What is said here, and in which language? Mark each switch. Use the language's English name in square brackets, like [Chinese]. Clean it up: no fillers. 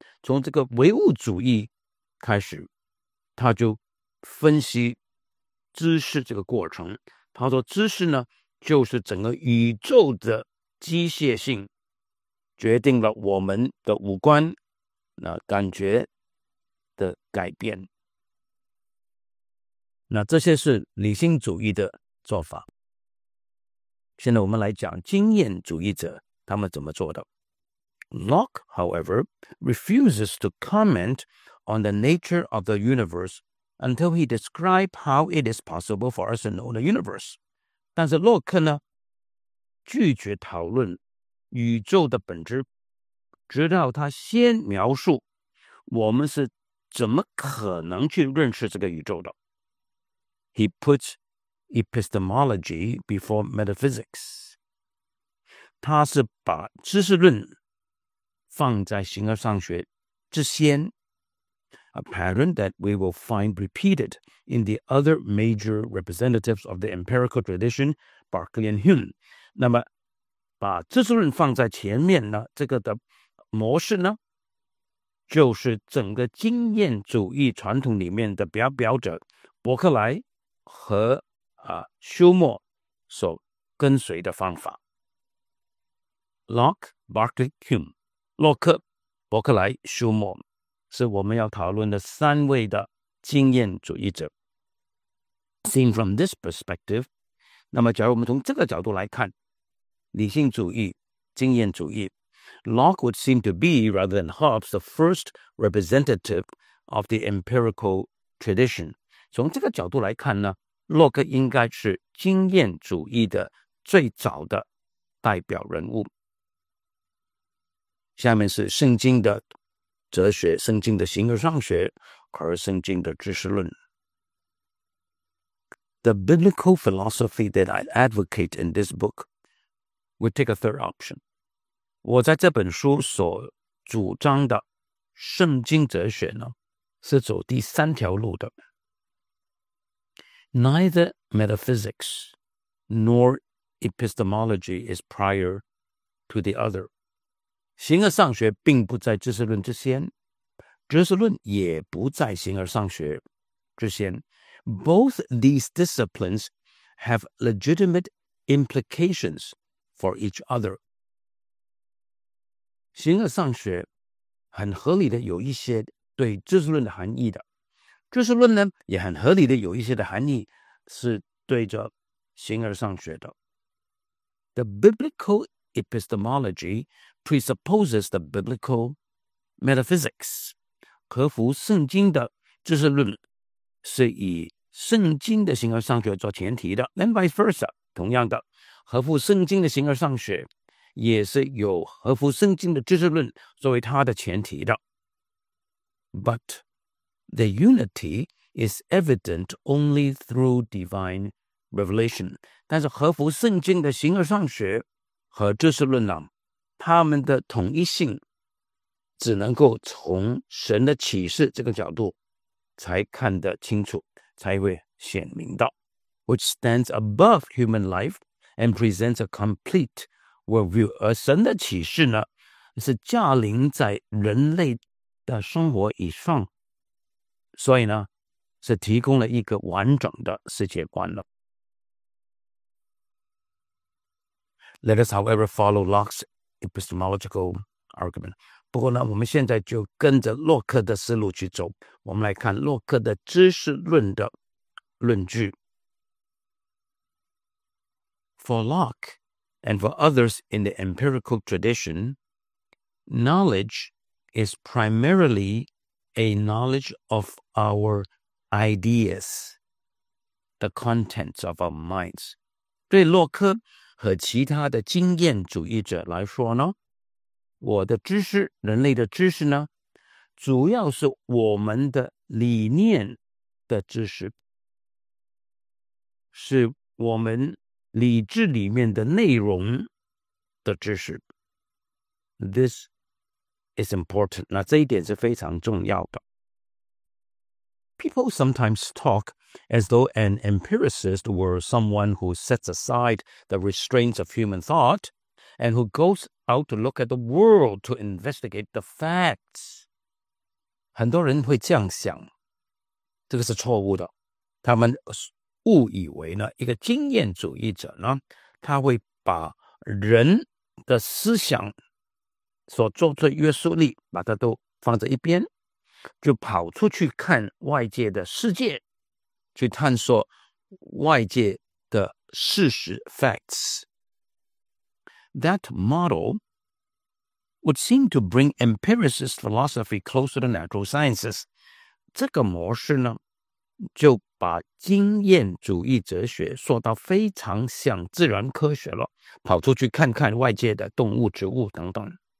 [Chinese] 从这个唯物主义开始，他就分析知识这个过程，他说知识呢就是整个宇宙的机械性决定了我们的五官那感觉的改变。那这些是理性主义的做法。现在我们来讲经验主义者他们怎么做的。 [English] Locke, however, refuses to comment on the nature of the universe until he describes how it is possible for us to know the universe. [Chinese] 但是洛克呢拒绝讨论宇宙的本质，直到他先描述我们是怎么可能去认识这个宇宙的。 [English] He puts epistemology before metaphysics. [Chinese] 他是把知识论放在形而上学之先。 [English] A pattern that we will find repeated in the other major representatives of the empirical tradition, Berkeley and Hume. [Chinese] 那么把知识论放在前面呢，这个的模式呢，就是整个经验主义传统里面的表表者伯克莱和休谟所跟随的方法。 [English] Locke, Berkeley, Hume. [Chinese] 洛克、伯克莱、休谟是我们要讨论的三位的经验主义者。 [English] Seen from this perspective, [Chinese] 那么假如我们从这个角度来看，理性主义、经验主义， [English] Locke would seem to be, rather than Hobbes, the first representative of the empirical tradition. [Chinese] 从这个角度来看呢，洛克应该是经验主义的最早的代表人物。下面是圣经的哲学，圣经的形而上学，而圣经的知识论。 [English] The biblical philosophy that I advocate in this book would take a third option. [Chinese] 我在这本书所主张的圣经哲学呢，是走第三条路的。 [English] Neither metaphysics nor epistemology is prior to the other. [Chinese] 形而上学并不在知识论之先，知识论也不在形而上学之先。 [English] Both these disciplines have legitimate implications for each other. [Chinese] 形而上学很合理的有一些对知识论的含义的，知识论呢也很合理的有一些的含义是对着形而上学的。 [English] The biblical epistemology presupposes the biblical metaphysics. [Chinese] 合乎圣经的知识论是以圣经的形而上学做前提的。 [English] And vice versa, [Chinese] 同样的，合乎圣经的形而上学也是有合乎圣经的知识论作为它的前提的。 [English] But the unity is evident only through divine revelation. [Chinese] 但是合乎圣经的形而上学和知识论呢，他们的统一性只能够从神的启示这个角度才看得清楚，才会显明到。 [English] Which stands above human life and presents a complete worldview. [Chinese] 而神的启示呢，是驾临在人类的生活以上，所以呢，是提供了一个完整的世界观了。 [English] Let us, however, follow Locke's epistemological argument. [Chinese] 不过呢，我们现在就跟着洛克的思路去走。我们来看洛克的知识论的论据。 [English] For Locke and for others in the empirical tradition, knowledge is primarily a knowledge of our ideas, the contents of our minds. [Chinese] 对洛克和其他的经验主义者来说呢，我的知识，人类的知识呢，主要是我们的理念的知识，是我们理智里面的内容的知识。 [English] This is important. [Chinese] 那这一点是非常重要的。 [English] People sometimes talk as though an empiricist were someone who sets aside the restraints of human thought and who goes out to look at the world to investigate the facts. [Chinese] 很多人会这样想，这个是错误的。他们误以为呢，一个经验主义者呢，他会把人的思想所做出的约束力把它都放在一边，就跑出去看外界的世界，去探索外界的事实 facts. [English] That model would seem to bring empiricist philosophy closer to natural sciences. [Chinese] 这个模式呢，就把经验主义哲学说到非常像自然科学了，跑出去看看外界的动物植物等等。